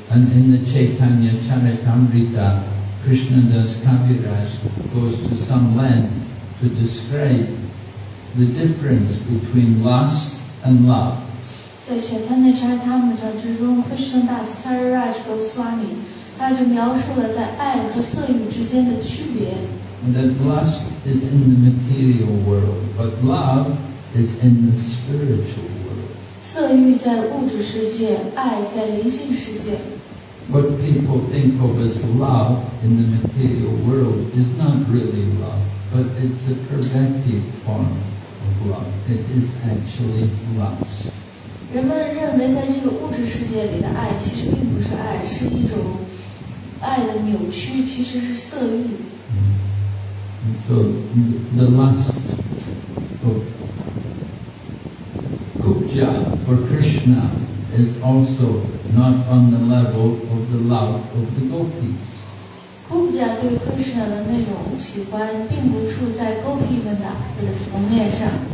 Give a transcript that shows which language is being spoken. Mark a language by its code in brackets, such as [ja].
[en] And in the Chaitanya Charitamrita, Krishna Das Kaviraj goes to some length to describe the difference between lust and love. [zh] 在 Chaitanya Charitamrita 之中 ，Krishna Das Kaviraj Goswami 他就描述了在爱和色欲之间的区别。 [en] That lust is in the material world, but love. Is in the spiritual world. [zh] 色欲在物质世界，爱在灵性世界。 [en] What people think of as love in the material world is not really love, but it's a preventive form of love. It is actually lust. [zh] 人们认为在这个物质世界里的爱其实并不是爱，是一种爱的扭曲，其实是色欲。 [en] And so the lust of Kupja for Krishna is also not on the level of the love of the gopis. [zh] Kupja 对 Krishna 的那种喜欢并不处在 gopi 们的层面上。